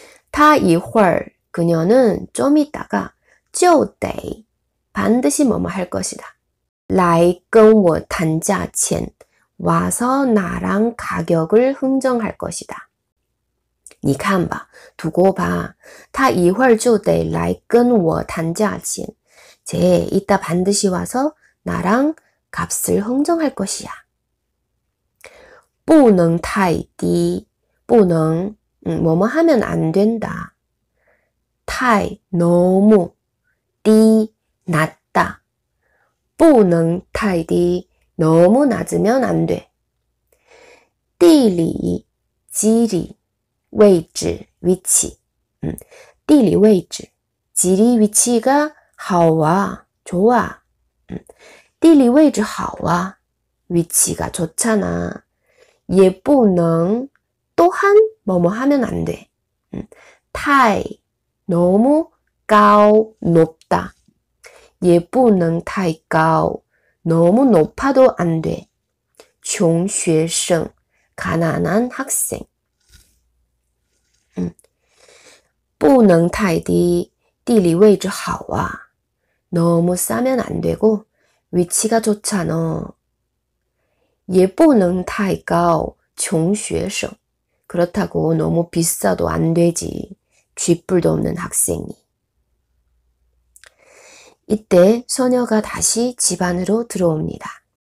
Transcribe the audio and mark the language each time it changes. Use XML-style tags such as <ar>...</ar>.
<ko>타이훨, 그녀는 좀 있다가</ko> <zh>就得,</zh> <ko>반드시 뭐뭐 할 것이다.</ko> <zh>来跟我谈价钱,</zh> <ko>와서 나랑 가격을 흥정할 것이다.</ko> <zh>你看吧,</zh> <ko>두고 봐.</ko> <zh>他一会儿就得来跟我谈价钱.</zh> <ko>쟤 이따 반드시 와서 나랑 값을 흥정할 것이야.</ko> <zh>不能太低, 不能,</zh> <ko>뭐뭐 하면 안 된다. 太, 너무, 低, 낮다.</ko> <zh>不能太低,</zh> <ko>너무 낮으면 안 돼. 地理, 지리, 位置, 위치.</ko> <zh>地理, 位置,</zh> <ko>지리, 위치가</ko> <zh>好啊,</zh> <ko>좋아.</ko> <zh>地理, 位置, 好啊,</zh> <ko>위치가 좋잖아.</ko> <zh>也不能,</zh> <ko>또한, 뭐뭐 하면 안 돼. 太, 너무, 高, 높다.</ko> <zh>也不能太高,</zh> <ko>너무 높아도 안 돼.</ko> <zh>穷学生,</zh> <ko>가난한 학생.</ko> <zh>不能太低, 地理位置好啊.</zh> <ko>너무 싸면 안 되고, 위치가 좋잖아.</ko> <zh>也不能太高, 穷学生.</zh> <ko>그렇다고 너무 비싸도 안 되지. 쥐뿔도 없는 학생이. 이때 소녀가 다시 집안으로 들어옵니다.</ko>